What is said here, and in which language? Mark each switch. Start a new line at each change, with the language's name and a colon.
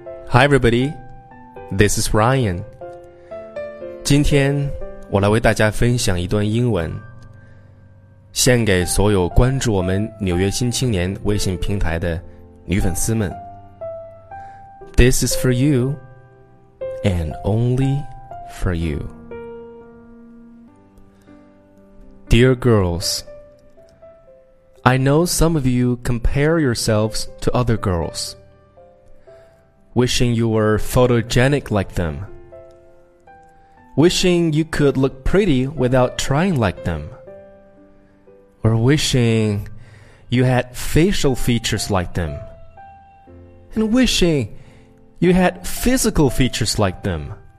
English: Hi everybody, this is Ryan.
Chinese: 今天我来为大家分享一段英文，献给所有关注我们纽约新青年微信平台的女粉丝们。
English: This is for you, and only for you. Dear girls, I know some of you compare yourselves to other girls, wishing you were photogenic like them, wishing you could look pretty without trying like them, or wishing you had facial features like them, and wishing you had physical features like them.